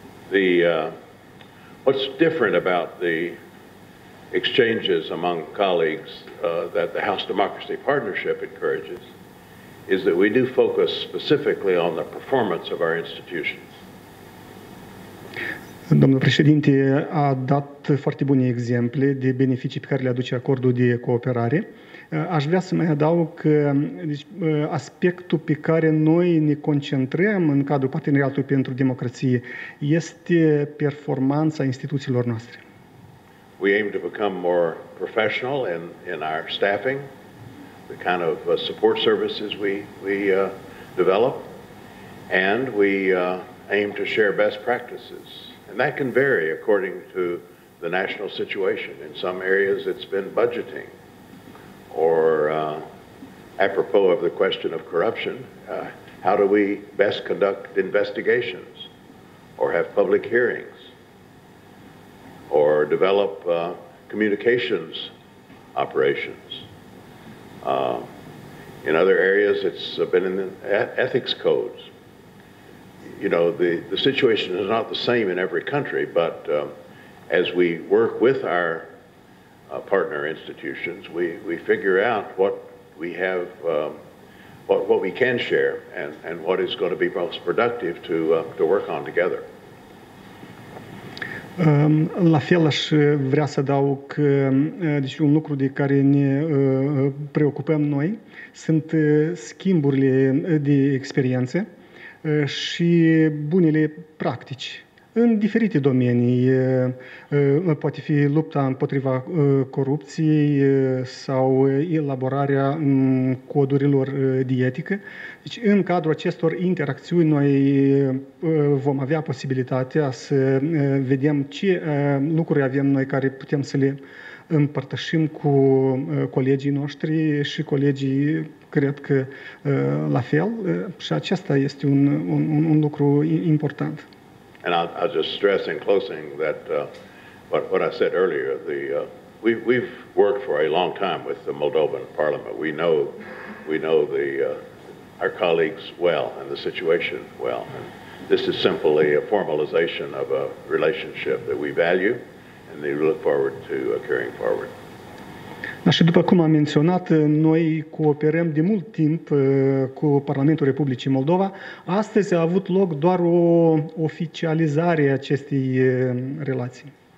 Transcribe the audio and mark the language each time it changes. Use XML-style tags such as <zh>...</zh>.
<en>The what's different about the exchanges among colleagues that the House Democracy Partnership encourages is that we do focus specifically on the performance of our institutions.</en> <ro>Domnul președinte a dat foarte bune exemple de beneficii pe care le aduce acordul de cooperare. Aș vrea să mai adaug că aspectul pe care noi ne concentrăm în cadrul Parteneriatului pentru Democrație este performanța instituțiilor noastre.</ro> <en>We aim to become more professional in our staffing, the kind of support services we develop, and we aim to share best practices. And that can vary according to the national situation. In some areas it's been budgeting. Or apropos of the question of corruption, how do we best conduct investigations or have public hearings or develop communications operations? In other areas, it's been in the ethics codes. You know, the situation is not the same in every country, but as we work with our partner institutions, we figure out what we have, what we can share, and what is going to be most productive to work on together.</en> <ro>La fel aș vrea să adaug că deci un lucru de care ne preocupăm noi sunt schimburile de experiențe și bunele practici. În diferite domenii, poate fi lupta împotriva corupției sau elaborarea codurilor de etică. Deci, în cadrul acestor interacțiuni, noi vom avea posibilitatea să vedem ce lucruri avem noi care putem să le împărtășim cu colegii noștri și colegii, cred că, la fel. Și acesta este un lucru important.</ro> <en>And I'll just stress in closing that what I said earlier, the We've worked for a long time with the Moldovan parliament. We know the our colleagues well and the situation well. And this is simply a formalization of a relationship that we value and that we look forward to carrying forward.</en> <ro>Da, și după cum am menționat, noi cooperăm de mult timp cu Parlamentul Republicii Moldova. Astăzi a avut loc doar o oficializare a acestei relații.</ro>